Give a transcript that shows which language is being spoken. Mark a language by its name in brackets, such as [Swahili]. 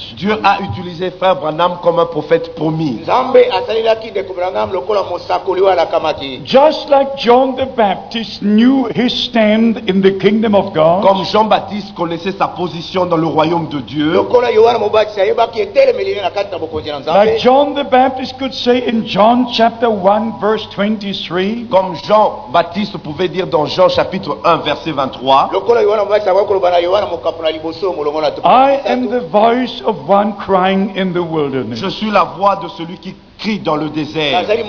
[French] Dieu a utilisé Frère Branham comme un prophète promis. [English] Just like John the Baptist knew his stand in the kingdom of God. [French] Comme Jean-Baptiste connaissait sa position dans le royaume de Dieu. [English] Like John the Baptist could say in John chapter 1 verse 23. [French] Comme Jean-Baptiste pouvait dire dans Jean chapitre 1 verset 23. [English] I am the voice of one crying in the wilderness. [French] Je suis la voix de celui qui crie dans le désert.